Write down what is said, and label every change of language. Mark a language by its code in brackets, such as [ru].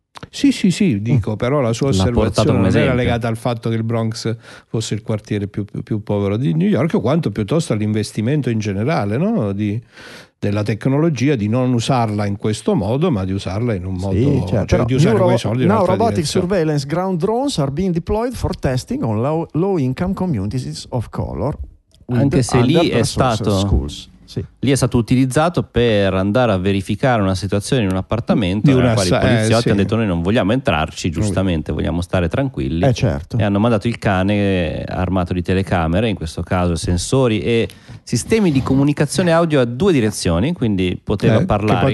[it] Sì, sì, sì, dico, però la sua osservazione non era legata al fatto che il Bronx fosse il quartiere più povero di New York, quanto piuttosto all'investimento in generale, no? Della tecnologia, di non usarla in questo modo, ma di usarla in un modo, sì, certo. Cioè di usare quei soldi in un'altra direzione. [en] Now robotic surveillance ground drones are being deployed for testing on low income communities of color. [it] Anche se lì è stato... Schools. Sì. Lì è stato utilizzato per andare a verificare una situazione in un appartamento in cui i poliziotti hanno detto noi non vogliamo entrarci, giustamente vogliamo stare tranquilli, certo. E hanno mandato il cane armato di telecamere, in questo caso sensori e sistemi di comunicazione audio a due direzioni, quindi poteva parlare,